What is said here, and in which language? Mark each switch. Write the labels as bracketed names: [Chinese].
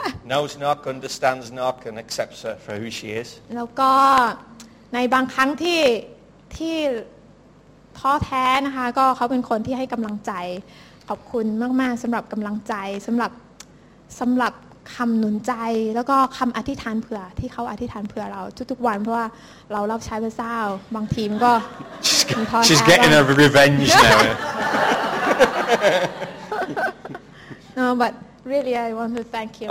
[English] knows knock understands knock and accepts her for who she is [Thai] แล้วก็ในบางครั้งที่ ที่ท้อแท้นะคะก็เขาเป็นคนที่ให้กำลังใจขอบคุณมากๆสำหรับกำลังใจสำหรับคำหนุนใจแล้วก็คำอธิษฐานเผื่อที่เขาอธิษฐานเผื่อเราทุกๆวันเพราะว่าเรารับใช้พระเจ้าบางทีมก็ [English] She's getting a revenge now. No, but really I want to thank you.